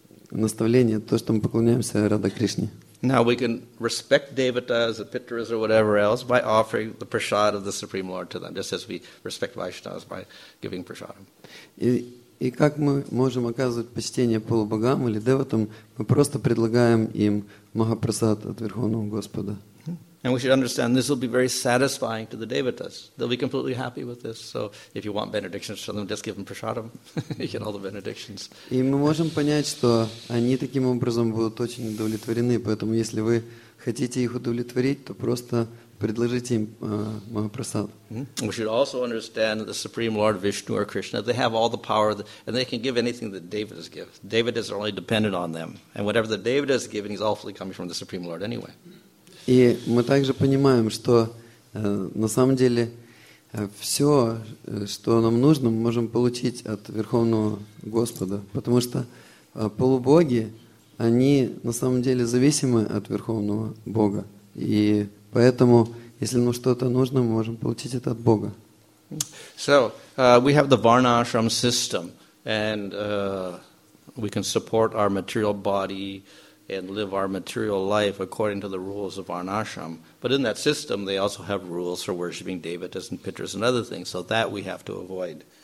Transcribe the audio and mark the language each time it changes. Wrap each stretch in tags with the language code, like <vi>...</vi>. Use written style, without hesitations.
<ru>наставление, то, что мы поклоняемся Рада Кришне.</ru> <en>Now we can respect devatas, the pitras, or whatever else by offering the prasad of the Supreme Lord to them, just as we respect Vaishnavas by giving prasadam.</en> <ru>И как мы можем оказывать почтение полубогам или деватам, мы просто предлагаем им Махапрасад от Верховного Господа.</ru> <en>And we should understand this will be very satisfying to the devatas. They'll be completely happy with this. So if you want benedictions from them, just give them prasadam. You get all the benedictions.</en> <ru>И мы можем понять, что они таким образом будут очень удовлетворены. Поэтому если вы хотите их удовлетворить, то просто предложите им Махапрасад.</ru> <en>We should also understand that the Supreme Lord Vishnu or Krishna, they have all the power and they can give anything that devatas give. Devatas are only dependent on them. And whatever the devatas give is awfully coming from the Supreme Lord anyway.</en> <ru>И мы также понимаем, что на самом деле все, что нам нужно, мы можем получить от Верховного Господа. Потому что полубоги, они на самом деле зависимы от Верховного Бога. И поэтому, если нам что-то нужно, мы можем получить это от Бога.</ru> <en>So, we have the Varnashram system, and we can support our material body, and live our material life according to the rules of Varnashram. But in that system, they also have rules for worshipping devatas and pitras and other things, so that we have to avoid.</en>